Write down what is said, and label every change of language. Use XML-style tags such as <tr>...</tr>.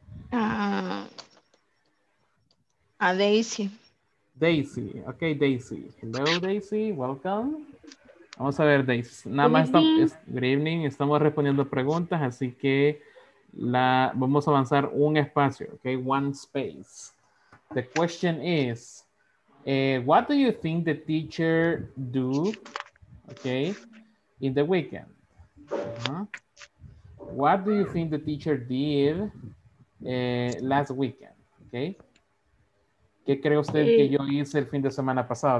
<en>A Daisy. Daisy, ok, Daisy. Hello, Daisy, welcome.</en> <es>Vamos a ver,</es> <en>Daisy. Good evening,</en> <es>estamos respondiendo preguntas, así que vamos a avanzar un espacio, ok,</es> <en>one space. The question is, what do you think the teacher do, okay, in the weekend? Uh-huh. What do you think the teacher did last weekend, okay?</en> <es>¿Qué cree usted que yo hice el fin de semana pasado?</es>